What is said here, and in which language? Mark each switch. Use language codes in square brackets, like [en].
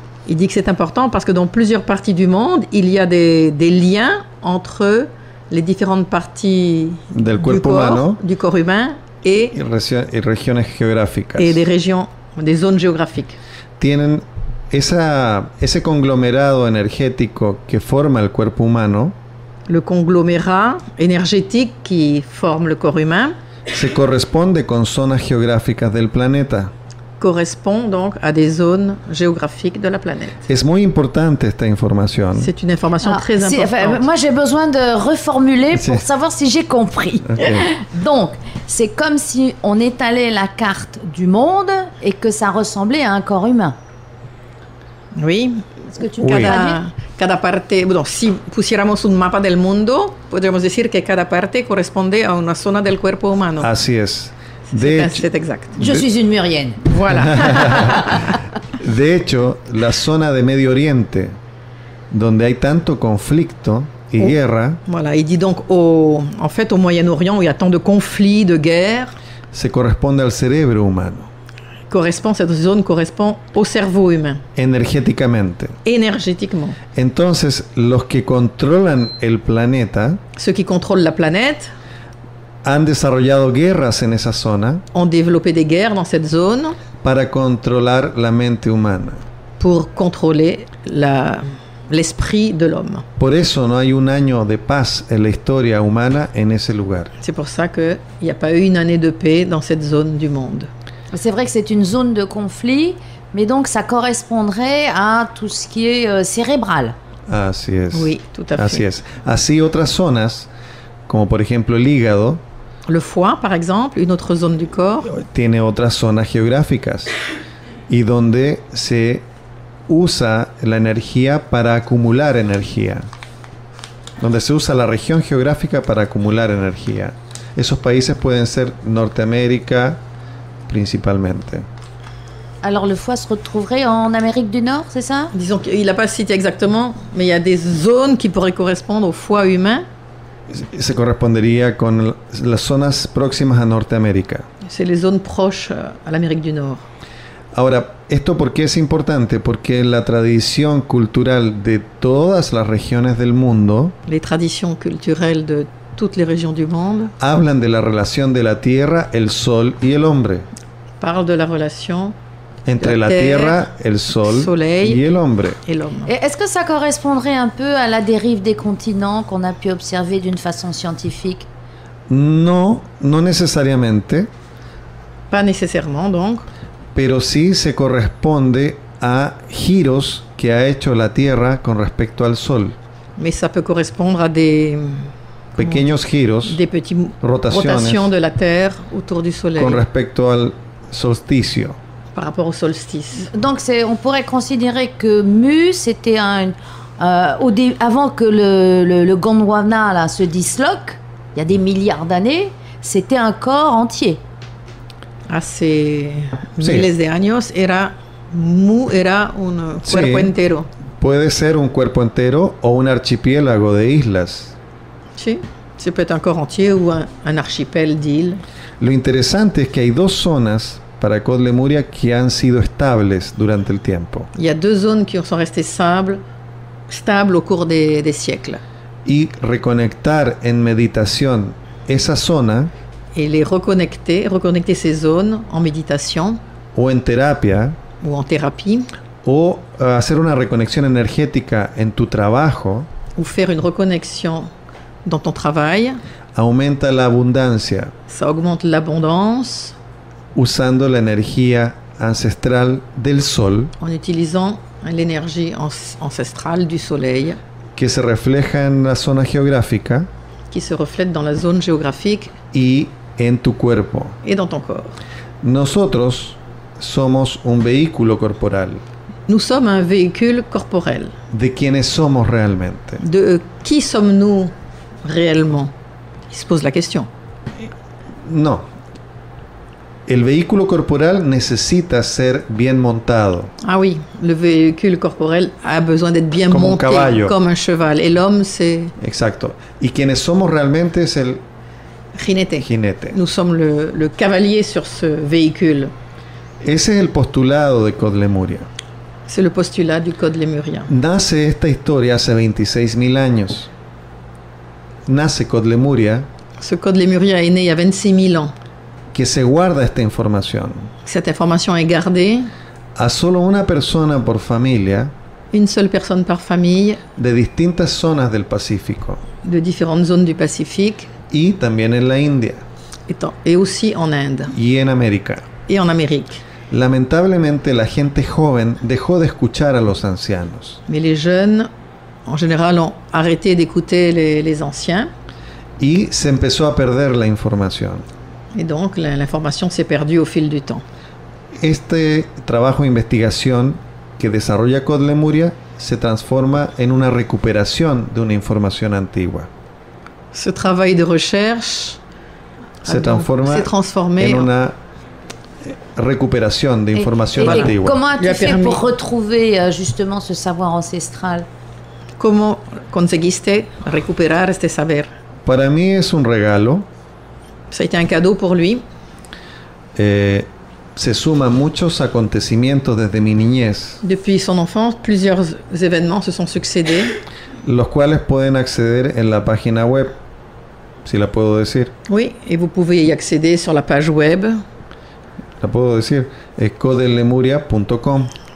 [fr] Il dit que c'est important parce que dans plusieurs parties du monde, il y a des liens entre les différentes parties du corps humain et [es] régiones [fr] géographiques. Et des zones géographiques. [es] Tienen ese conglomerado energético que forma el cuerpo humano. [fr] Le conglomérat énergétique qui forme le corps humain. [es] Se corresponde con zonas geográficas del planeta. [fr] Correspond donc à des zones géographiques de la planète. [es] Es muy importante esta información. [fr] C'est une information très importante. Moi, j'ai besoin de reformuler pour savoir si j'ai compris. Okay. Donc, c'est comme si on étalait la carte du monde et que ça ressemblait à un corps humain. Oui. Est-ce que tu peux traduire? [es] Cada parte, bueno, si pusiéramos un mapa del mundo, podríamos decir que cada parte [fr] correspondait à [es] una zona del cuerpo humano. Así es. [fr] C'est exact. Je suis une murienne. Voilà. [es] De hecho, la zona de Medio Oriente, donde hay tanto conflicto y guerra. [fr] Voilà, il dit donc au Moyen-Orient, où il y a tant de conflits, de guerres. [es] Se corresponde al cerebro humano. [fr] Cette zone correspond au cerveau humain. [es] Energéticamente. [fr] Énergétiquement. [es] Entonces, los que controlan el planeta. [fr] Ceux qui contrôlent la planète. [es] Han desarrollado guerras en esa zona. [fr] Ont développé des guerres dans cette zone. [es] Para controlar la mente humana. [fr] Pour contrôler la l'esprit de l'homme. [es] Por eso no hay un año de paz en la historia humana en ese lugar. [fr] C'est pour ça que il y a pas eu une année de paix dans cette zone du monde. C'est vrai que c'est une zone de conflit, mais donc ça correspondrait à tout ce qui est cérébral. [es] Así es. [fr] Oui, tout à fait. [es] Así es. Así otras zonas, como por ejemplo el hígado. [fr] Le foie, par exemple, une autre zone du corps. [es] Tiene otras zonas geográficas y donde se usa la energía para acumular energía. Donde se usa la región geográfica para acumular energía. Esos países pueden ser Norteamérica principalmente. [fr] Alors le foie se retrouverait en Amérique du Nord, c'est ça? Disons qu'il n'a pas cité exactement, mais il y a des zones qui pourraient correspondre au foie humain. [es] Se correspondería con las zonas próximas a Norteamérica. [fr] C'est les zones proches à l'Amérique du Nord. [es] Ahora, ¿esto por qué es importante? Porque la tradición cultural de todas las regiones del mundo, [fr] les traditions culturelles de toutes les régions du monde, [es] hablan de la relación de la tierra, el sol y el hombre. [fr] Parle de la relation entre la terre, [es] el sol, [fr] le soleil [es] y el hombre. [fr] Et l'homme. Et est-ce que ça correspondrait un peu à la dérive des continents qu'on a pu observer d'une façon scientifique? Non, non nécessairement. Pas nécessairement donc. [es] Pero sí se corresponde a giros que ha hecho la Tierra con respecto al Sol. [fr] Mais ça peut correspondre à des [es] pequeños giros, [fr] des petites rotations de la Terre autour du Soleil. [es] Con respecto al solsticio. [fr] Par rapport au solstice. Donc c'est, on pourrait considérer que Mu, c'était un avant que le Gondwana là se disloque, il y a des milliards d'années, c'était un corps entier. [es] Hace miles de años era Mu era un cuerpo sí, entero. Puede ser un cuerpo entero o un archipiélago de islas. Sí, se puede [fr] un corps entier ou un archipel d'île. [es] Lo interesante es que hay dos zonas para Côte Lemuria que han sido estables durante el tiempo. [fr] Il y a deux zones qui sont restées stables au cours des siècles. [es] Y reconectar en meditación esa zona. [fr] Et les reconnecter ces zones en méditation. [es] O en terapia. [fr] Ou en thérapie. [es] O hacer una reconexión energética en tu trabajo. [fr] Ou faire une reconnexion dans ton travail. [es] Aumenta la abundancia. [fr] Ça augmente l'abondance. [es] Usando la energía ancestral del sol, [fr] en utilisant l'énergie ancestrale du soleil, [es] que se refleja en la zona geográfica, [fr] qui se reflète dans la zone géographique, [es] y en tu cuerpo, [fr] et dans ton corps. [es] Nosotros somos un vehículo corporal. [fr] Nous sommes un véhicule corporel. [es] De quiénes somos realmente. [fr] De qui sommes-nous réellement? Il se pose la question. Non. [es] El vehículo corporal necesita ser bien montado. [fr] Ah oui, le véhicule corporel a besoin d'être bien [es] como [fr] monté, [es] un caballo. [fr] Comme un cheval. Et l'homme, c'est... [es] Exacto. Y quienes somos realmente es el... Jinete. [fr] Nous sommes le cavalier sur ce véhicule. [es] Ese es el postulado de Côte Lemuria. [fr] C'est le postulat du Code Lemurien. [es] Nace esta historia hace 26.000 años. Nace Côte Lemuria. [fr] Ce Code Lemurien est né il y a 26.000 ans. [es] Que se guarda esta información. [fr] Cette information est gardée. [es] A solo una persona por familia. [fr] Une seule personne par famille. [es] De distintas zonas del Pacífico. [fr] De différentes zones du Pacifique. [es] Y también en la India. [fr] Et aussi en Inde. [es] Y en América. [fr] Et en Amérique. [es] Lamentablemente, la gente joven dejó de escuchar a los ancianos. [fr] Mais les jeunes, en général, ont arrêté d'écouter les anciens. [es] Y se empezó a perder la información. [fr] Et donc l'information s'est perdue au fil du temps. [es] Este trabajo de investigación que desarrolla Côte Lemuria se transforma en una recuperación de una información antigua. [fr] Ce travail de recherche s'est transformé en [es] una recuperación de información antigua. [fr] Et comment as-tu fait pour retrouver justement ce savoir ancestral? [es] ¿Cómo conseguiste recuperar este saber? Para mí es un regalo. [fr] Ça a été un cadeau pour lui. [es] Se suman muchos acontecimientos desde mi niñez. [fr] Depuis son enfance, plusieurs événements se sont succédés. [es] Los cuales pueden acceder en la página web, si la puedo decir. [fr] Oui, et vous pouvez y accéder sur la page web. [es] La puedo decir, es codelemuria.com.